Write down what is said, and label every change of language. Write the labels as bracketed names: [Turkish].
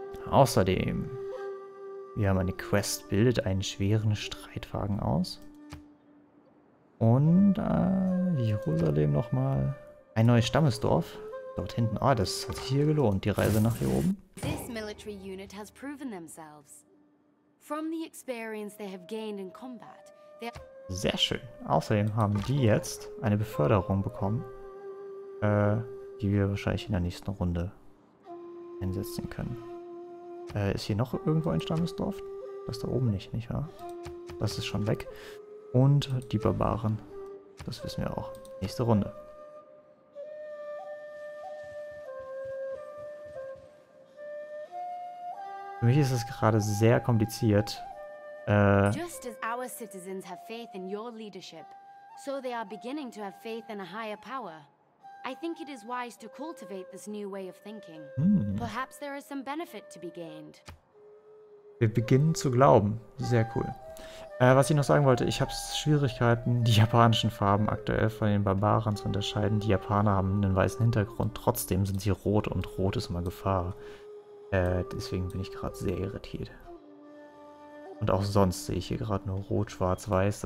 [German] Außerdem, wir haben eine Quest, bildet einen schweren Streitwagen aus. Und Jerusalem nochmal. Ein neues Stammesdorf. Dort hinten. Ah, das hat sich hier gelohnt, die Reise nach hier oben. [English] This military unit has proven themselves. From the experience they have gained in combat, they're... [German] Sehr schön. Außerdem haben die jetzt eine Beförderung bekommen, die wir wahrscheinlich in der nächsten Runde einsetzen können. Ist hier noch irgendwo ein Stammesdorf? Das da oben nicht, nicht wahr? Das ist schon weg. Und die Barbaren, das wissen wir auch. Nächste Runde. Für mich ist es gerade sehr kompliziert. [English] Just as our citizens have faith in your leadership, so they are beginning to have faith in a higher power. I think it is wise to cultivate this new way of thinking. Perhaps there is some benefit to be gained. [German] Wir beginnen zu glauben. Sehr cool. Was ich noch sagen wollte, ich habe Schwierigkeiten, die japanischen Farben aktuell von den Barbaren zu unterscheiden. Die Japaner haben einen weißen Hintergrund, trotzdem sind sie rot und rot ist immer Gefahr. Deswegen bin ich gerade sehr irritiert. Und auch sonst sehe ich hier gerade nur rot, schwarz, weiß.